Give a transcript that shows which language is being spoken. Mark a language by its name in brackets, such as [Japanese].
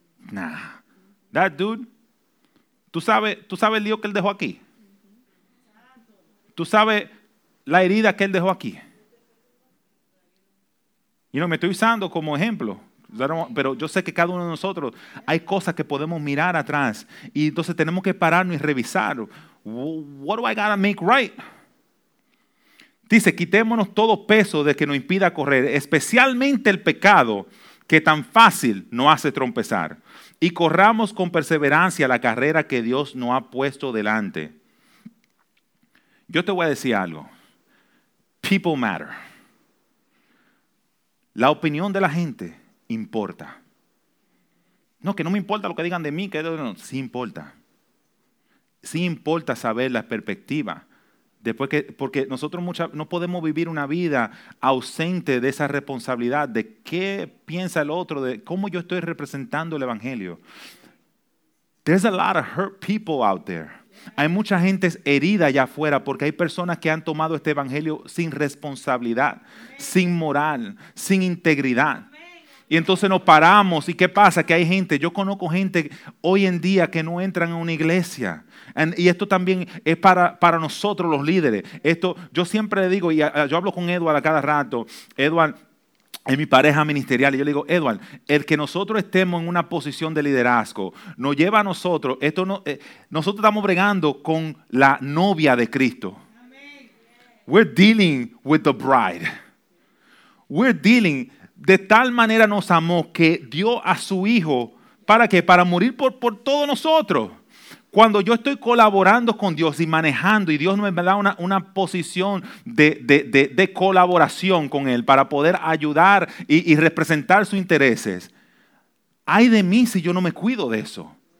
[English] Nah, that dude. [Spanish] ¿Tú sabes el lío que él dejó aquí? ¿Tú sabes la herida que él dejó aquí? Y no, me estoy usando como ejemplo. Pero yo sé que cada uno de nosotros hay cosas que podemos mirar atrás. Y entonces tenemos que pararnos y revisar. [English] What do I gotta make right? [Spanish] Dice, quitémonos todo peso de que nos impida correr, especialmente el pecado que tan fácil nos hace trompezar. Y corramos con perseverancia la carrera que Dios nos ha puesto delante. Yo te voy a decir algo. [English] People matter. [Spanish] La opinión de la gente importa. No, que no me importa lo que digan de mí, que no, sí importa. Sí importa saber la perspectiva. Porque nosotros no podemos vivir una vida ausente de esa responsabilidad, de qué piensa el otro, de cómo yo estoy representando el Evangelio. [English] There's a lot of hurt people out there. [Spanish] Hay mucha gente herida allá afuera porque hay personas que han tomado este Evangelio sin responsabilidad, sin moral, sin integridad. Y entonces nos paramos. ¿Y qué pasa? Que hay gente, yo conozco gente hoy en día que no entran a una iglesia. Y esto también es para nosotros los líderes. Esto, yo siempre le digo, y yo hablo con Edward a cada rato. Edward es mi pareja ministerial. Y yo le digo, Edward, el que nosotros estemos en una posición de liderazgo nos lleva a nosotros. Esto no, nosotros estamos bregando con la novia de Cristo. [English] We're dealing with the bride. We're dealing. [Spanish] De tal manera nos amó que dio a su Hijo, ¿para qué? Para morir por todos nosotros. Cuando yo estoy colaborando con Dios y manejando, y Dios me da una posición de colaboración con Él para poder ayudar y representar sus intereses, ay de mí si yo no me cuido de eso.